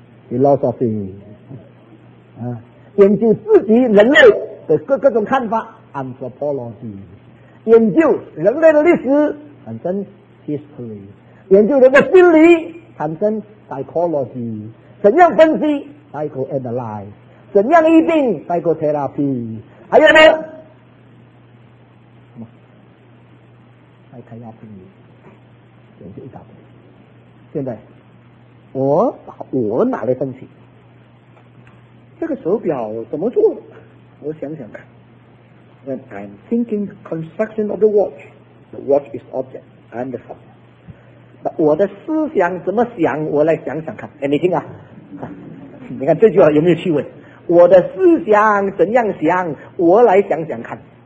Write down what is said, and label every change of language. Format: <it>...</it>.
<zh>philosophy、研究自己人类的各种看法 anthropology，研究人类的历史，产生 history， 研究人的心理，产生 psychology， 怎样分析 psychoanalyze， 怎样医病 psychotherapy， 还有呢？ psychiatry， 研究一大堆。现在我拿来分析，这个手表怎么做？我想想看。</zh> <en>When I'm thinking the construction of the watch is object, I'm the subject.</en> <zh>But 我的思想怎么想，我来想想看。哎，你听啊，你看这句话有没有趣味？我的思想怎样想，我来想想看。</zh>